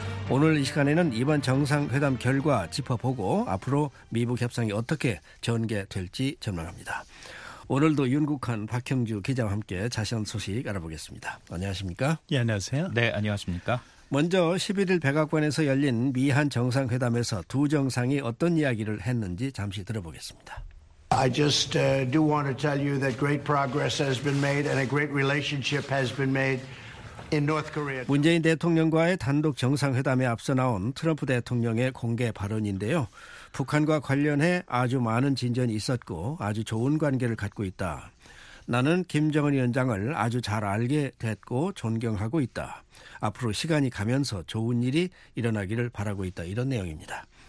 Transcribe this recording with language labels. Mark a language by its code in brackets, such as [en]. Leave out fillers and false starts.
[ko] 오늘 이 시간에는 이번 정상회담 결과 짚어보고 앞으로 미북 협상이 어떻게 전개될지 전망합니다. 오늘도 윤국한 박형주 기자와 함께 자세한 소식 알아보겠습니다. 안녕하십니까? 예, 안녕하세요. 네, 안녕하십니까? 먼저 11일 백악관에서 열린 미한 정상회담에서 두 정상이 어떤 이야기를 했는지 잠시 들어보겠습니다. [en] I just do want to tell you that great progress has been made and a great relationship has been made in North Korea. [ko] 문재인 대통령과의 단독 정상회담에 앞서 나온 트럼프 대통령의 공개 발언인데요. 북한과 관련해 아주 많은 진전이 있었고 아주 좋은 관계를 갖고 있다. 나는 김정은 위원장을 아주 잘 알게 됐고 존경하고 있다. 앞으로 시간이 가면서 좋은 일이 일어나기를 바라고 있다. 이런 내용입니다.